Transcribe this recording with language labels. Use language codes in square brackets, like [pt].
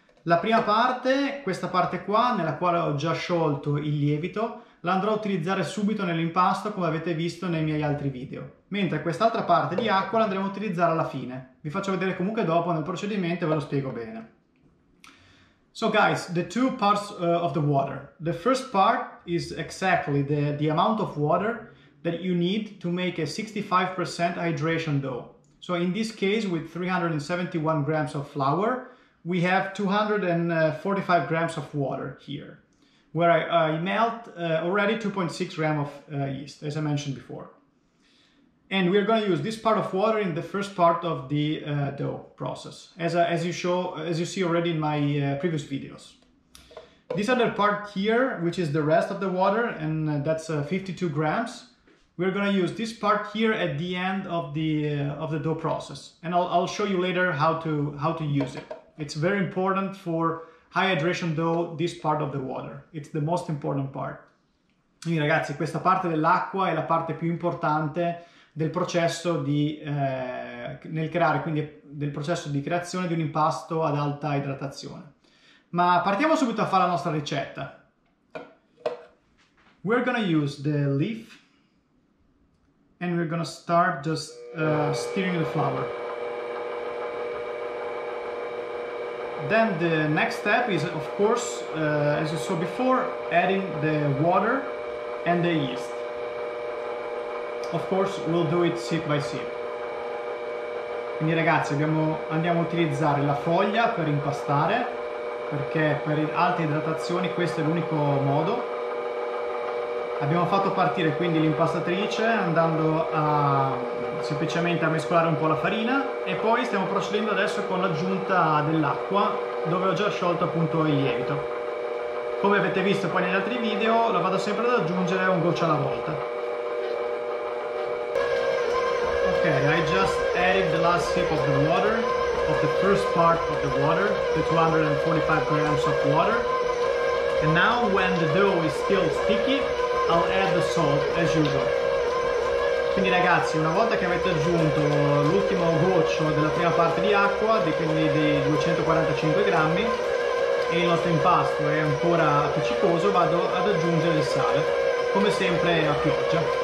[it] La prima parte, questa parte qua, nella quale ho già sciolto il lievito, la andrò a utilizzare subito nell'impasto come avete visto nei miei altri video. Mentre quest'altra parte di acqua la andremo a utilizzare alla fine. Vi faccio vedere comunque dopo nel procedimento e ve lo spiego bene. [en] So guys, the two parts of the water. The first part is exactly the amount of water that you need to make a 65% hydration dough. So in this case, with 371 grams of flour, we have 245 grams of water here, where I melt already 2.6 grams of yeast, as I mentioned before. And we are gonna use this part of water in the first part of the dough process, as you see already in my previous videos. This other part here, which is the rest of the water, and that's 52 grams, we're gonna use this part here at the end of the dough process. And I'll show you later how to use it. It's very important for high hydration dough, this part of the water. It's the most important part. [it] Quindi ragazzi, questa parte dell'acqua è la parte più importante del processo del processo di creazione di un impasto ad alta idratazione. Ma partiamo subito a fare la nostra ricetta. [en] We're gonna use the leaf. And we're gonna start just stirring the flour. Then the next step is, of course, as you saw before, adding the water and the yeast. Of course, we'll do it sip by sip. [it] Quindi ragazzi, andiamo a utilizzare la foglia per impastare, perché per alte idratazioni questo è l'unico modo. Abbiamo fatto partire quindi l'impastatrice andando a semplicemente a mescolare un po' la farina e poi stiamo procedendo adesso con l'aggiunta dell'acqua dove ho già sciolto appunto il lievito. Come avete visto poi negli altri video, la vado sempre ad aggiungere un goccio alla volta. [en] Ok, I just added the last sip of the water, of the first part of the water, the 245 grams of water. And now when the dough is still sticky, I'll add the salt as usual. [it] Quindi ragazzi, una volta che avete aggiunto l'ultimo goccio della prima parte di acqua, quindi di 245 grammi, e il nostro impasto è ancora appiccicoso, vado ad aggiungere il sale, come sempre a pioggia.